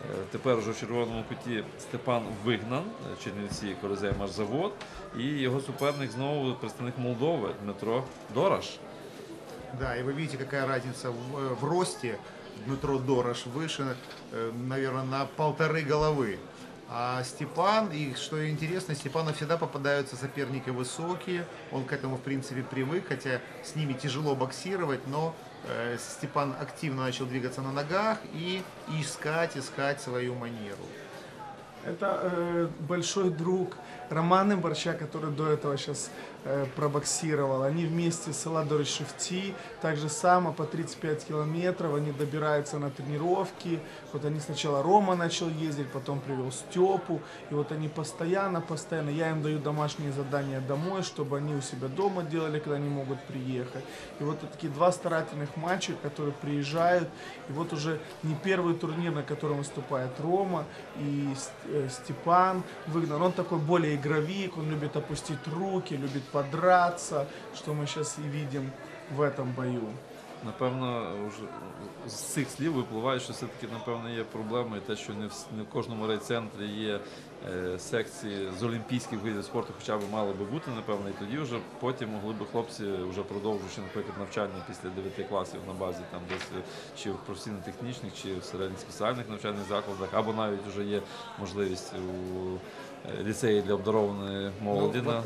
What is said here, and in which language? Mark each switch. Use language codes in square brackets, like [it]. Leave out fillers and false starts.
[uk] Тепер вже у червоному куті Степан Вигнан, чернівці «Колізей Машзавод», і його суперник знову представник Молдови Дмитро Дораш. Да, і ви бачите, яка різниця в рості. Дмитро Дораш вище, наверное, на півтори голови. [ru] А Степан, и что интересно, Степану всегда попадаются соперники высокие, он к этому в принципе привык, хотя с ними тяжело боксировать, но Степан активно начал двигаться на ногах и искать свою манеру. Это большой друг Романа Борща, который до этого сейчас пробоксировал. Они вместе с Эладорой Шефти, так же само по 35 километров, они добираются на тренировки. Вот они сначала Рома начал ездить, потом привел Степу. И вот они постоянно, я им даю домашние задания домой, чтобы они у себя дома делали, когда они могут приехать. И вот такие два старательных мальчика, которые приезжают. И вот уже не первый турнир, на котором выступает Рома и Степа. Степан выгнан. Он такой более игровик, он любит опустить руки, любит подраться, что мы сейчас и видим в этом бою. [uk] Напевно, уже з цих слів випливає, що все-таки, напевно, є проблема, і те, що не в кожному райцентрі є секції з олімпійських видів спорту, хоча б мало би бути, напевно, і тоді вже потім могли б хлопці, вже продовжуючи, наприклад, навчання після 9 класів на базі, там десь чи в професійно-технічних, чи в середньоспеціальних навчальних закладах, або навіть вже є можливість у ліцеї для обдарованої молоді.